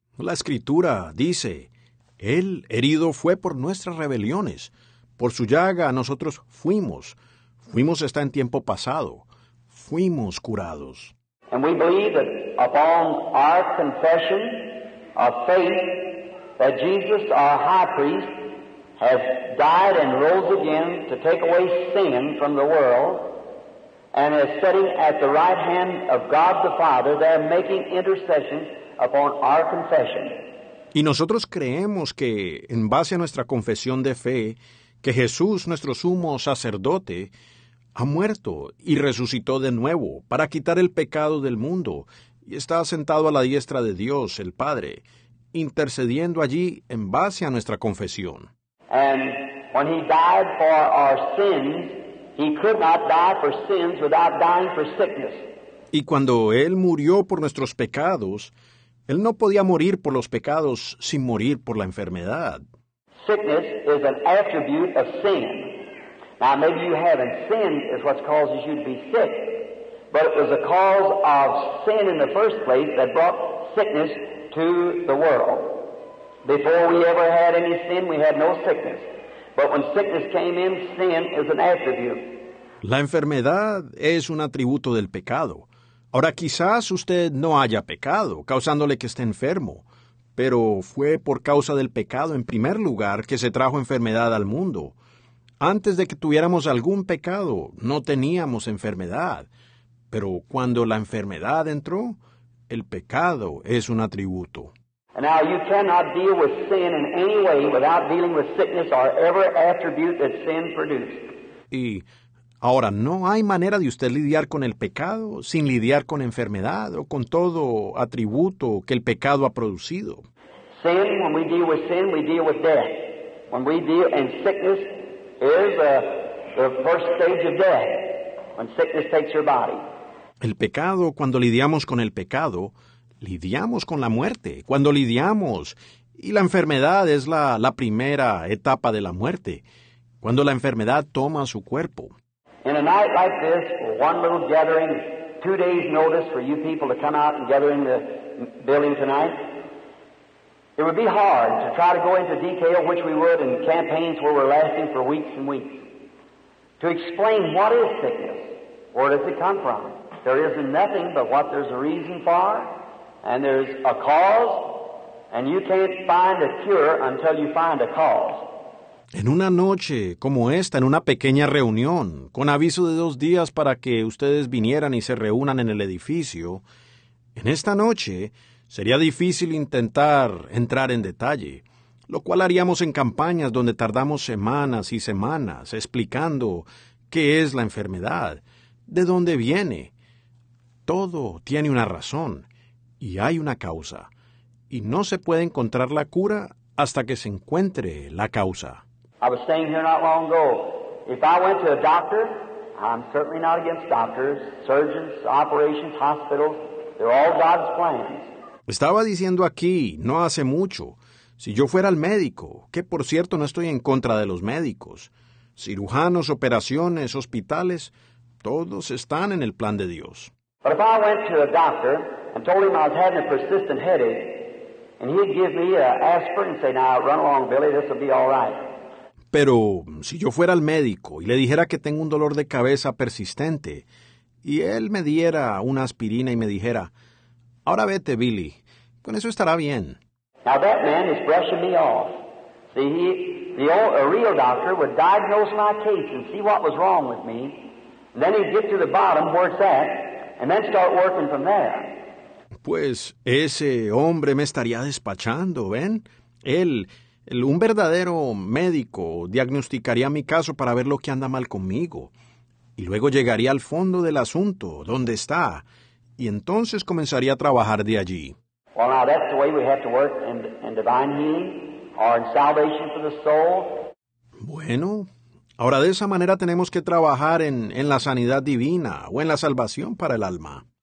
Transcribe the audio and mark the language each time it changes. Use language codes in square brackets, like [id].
[es] La escritura dice, él herido fue por nuestras rebeliones. Por su llaga nosotros fuimos está en tiempo pasado, fuimos curados. [en] And we believe that upon our confession of faith that Jesus, our high priest, has died and rose again to take away sin from the world and is sitting at the right hand of God the Father, they're making intercession upon our confession. [es] Y nosotros creemos que, en base a nuestra confesión de fe, que Jesús, nuestro sumo sacerdote, ha muerto y resucitó de nuevo para quitar el pecado del mundo y está sentado a la diestra de Dios, el Padre, intercediendo allí en base a nuestra confesión. [en] And when he died for our sins, he could not die for sins without dying for sickness. [es] Y cuando él murió por nuestros pecados, Él no podía morir por los pecados sin morir por la enfermedad. [en] Sickness is an attribute of sin. Now, maybe you haven't sinned is what causes you to be sick, but it was the cause of sin in the first place that brought sickness to the world. Before we ever had any sin, we had no sickness. But when sickness came in, sin is an attribute. [es] La enfermedad es un atributo del pecado. Ahora, quizás usted no haya pecado, causándole que esté enfermo, pero fue por causa del pecado en primer lugar que se trajo enfermedad al mundo. Antes de que tuviéramos algún pecado, no teníamos enfermedad, pero cuando la enfermedad entró, el pecado es un atributo. [en] Now, you cannot deal with sin in any way without dealing with sickness or every attribute that sin produced. [es] Y ahora, no hay manera de usted lidiar con el pecado sin lidiar con enfermedad o con todo atributo que el pecado ha producido. [en] Sin, when we deal with sin, we deal with death. When we deal, and sickness is the first stage of death, when sickness takes your body. [es] El pecado, cuando lidiamos con el pecado, lidiamos con la muerte. Cuando lidiamos, y la enfermedad es la primera etapa de la muerte, cuando la enfermedad toma su cuerpo. [en] In a night like this, one little gathering, 2 days' notice for you people to come out and gather in the building tonight, it would be hard to try to go into detail, which we would, in campaigns where we're lasting for weeks and weeks, to explain what is sickness, where does it come from. There isn't nothing but what there's a reason for, and there's a cause, and you can't find a cure until you find a cause. [es] En una noche como esta, en una pequeña reunión, con aviso de 2 días para que ustedes vinieran y se reúnan en el edificio, en esta noche sería difícil intentar entrar en detalle, lo cual haríamos en campañas donde tardamos semanas y semanas explicando qué es la enfermedad, de dónde viene. Todo tiene una razón y hay una causa, y no se puede encontrar la cura hasta que se encuentre la causa. [en] I was staying here not long ago. If I went to a doctor, I'm certainly not against doctors, surgeons, operations, hospitals. They're all God's plans. [es] Estaba diciendo aquí, no hace mucho, si yo fuera al médico, que por cierto no estoy en contra de los médicos, cirujanos, operaciones, hospitales, todos están en el plan de Dios. [en] But if I went to a doctor and told him I was having a persistent headache, and he'd give me an aspirin and say, now run along, Billy, this will be all right. [es] Pero si yo fuera al médico y le dijera que tengo un dolor de cabeza persistente y él me diera una aspirina y me dijera, ahora vete, Billy, con eso estará bien. [en] Now that man is brushing me off. See, a real doctor would diagnose my case and see what was wrong with me, and then he'd get to the bottom where it's at, and then start working from there. [es] Pues ese hombre me estaría despachando, ¿ven? Un verdadero médico diagnosticaría mi caso para ver lo que anda mal conmigo, y luego llegaría al fondo del asunto, donde está, y entonces comenzaría a trabajar de allí. [en] Well, now that's the way we have to work in divine healing or in salvation for the soul. [es] Bueno, ahora de esa manera tenemos que trabajar en la sanidad divina o en la salvación para el alma.